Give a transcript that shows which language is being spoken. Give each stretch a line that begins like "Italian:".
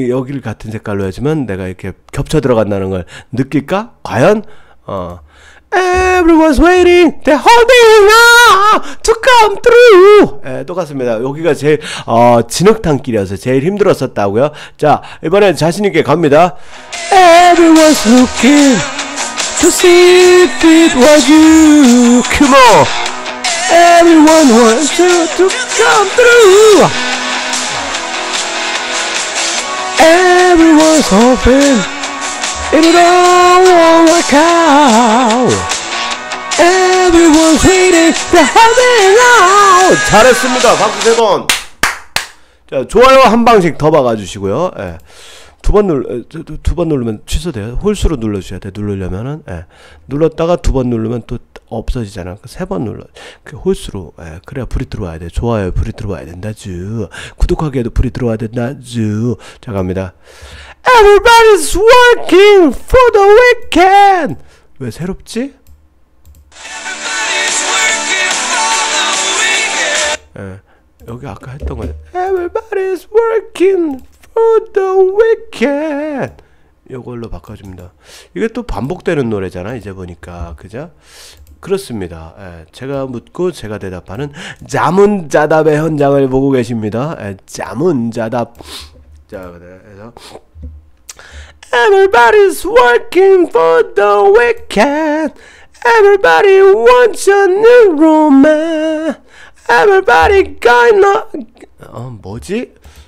Korean: 여기를 같은 색깔로 해주면 내가 이렇게 겹쳐 들어간다는 걸 느낄까? 과연?
English: Everyone's waiting. They're holding out to come through.
Korean: 예, 똑같습니다. 여기가 제일 진흙탕길이어서 제일 힘들었었다고요. 자, 이번엔 자신 있게 갑니다.
English: Everyone's looking. To see if it was you. Come on. Everyone wants to come through. Everyone's hoping it'll all work out. Everyone's waiting to have it now.
Korean: 잘했습니다. 박수 세 번. 자, 좋아요 한 방씩 더 박아주시고요. 예. 두 번 누르면 취소돼요. 홀수로 눌러주셔야 돼. 누르려면은, 예. 눌렀다가 두 번 누르면 또 없어지잖아. 세 번 눌러. 그 홀수로, 예. 그래야 불이 들어와야 돼. 좋아요에 불이 들어와야 된다쥬. 구독하기에도 불이 들어와야 된다쥬. 자, 갑니다.
English: Everybody's working for the weekend!
Korean: 왜 새롭지?
English: Everybody's working for the weekend!
Korean: 예. 여기 아까 했던 거.
English: Everybody's working! The weekend
Korean: 요걸로 바꿔줍니다. 이게 또 반복되는 노래잖아 이제 보니까. 그죠? 그렇습니다. 예, 제가 묻고 제가 대답하는 자문자답의 현장을 보고 계십니다. 예, 자문자답.
English: 자, 그래서 Everybody's working for the weekend. Everybody wants a new romance. Everybody gonna
Korean: 뭐지?